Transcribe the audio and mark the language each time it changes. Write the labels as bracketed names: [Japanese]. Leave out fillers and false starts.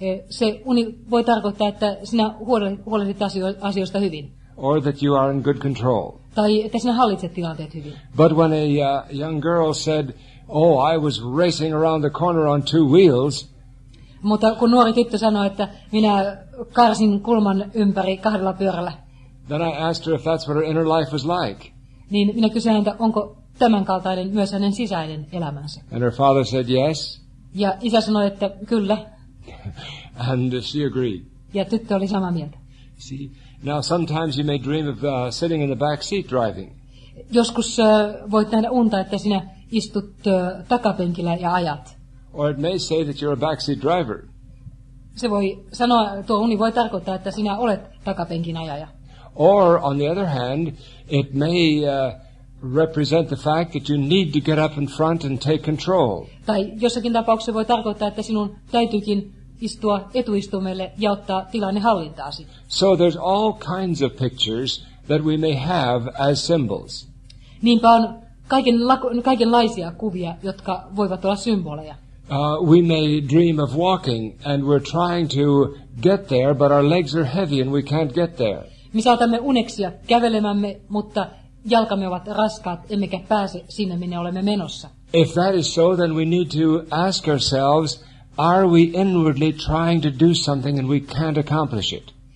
[Finnish] Se uni voi tarkoittaa, että sinä huolehdit asioista hyvin. [English] Or that you are in good control. [Finnish] Tai että sinä hallitset tilanteet hyvin. [English] But when a young girl said, oh, I was racing around the corner on 2 wheels. [Finnish] Mutta kun nuori tyttö sanoi, että minä karsin kulman ympäri 2 pyörällä. [English] Then I asked her if that's what her inner life was like. [Finnish] Niin minä kysyin häntä, onko tämänkaltainen myös hänen sisäinen elämänsä. [English] And her father said yes. [Finnish] Ja isä sanoi, että kyllä. [English] And she agreed. [Finnish] Ja tyttö oli samaa mieltä. [English] See, now sometimes you may dream of sitting in the back seat driving. [Finnish] Joskus voit nähdä unta, että sinä istut takapenkillä ja ajat. [English] Or it may say that you're a backseat driver. [Finnish] Se voi sanoa, tuo uni voi tarkoittaa, että sinä olet takapenkin ajaja. [English] Or on the other hand, it may represent the fact that you need to get up in front and take control. [Finnish] Tai jossakin tapauksessa voi tarkoittaa, että sinun täytyykin istua etuistumelle ja ottaa tilanne hallintaasi. [English] So there's all kinds of pictures that we may have as symbols. [Finnish] Niinpä on kaikenlaisia kuvia, jotka voivat olla symboleja. [English] We may dream of walking and we're trying to get there, but our legs are heavy and we can't get there. [Finnish] Me saatamme uneksia kävelemämme, mutta jalkamme ovat raskaat, emmekä pääse sinne, minne olemme menossa. [English] If that is so, then we need to ask ourselves, are we inwardly trying to do something and we can't accomplish it?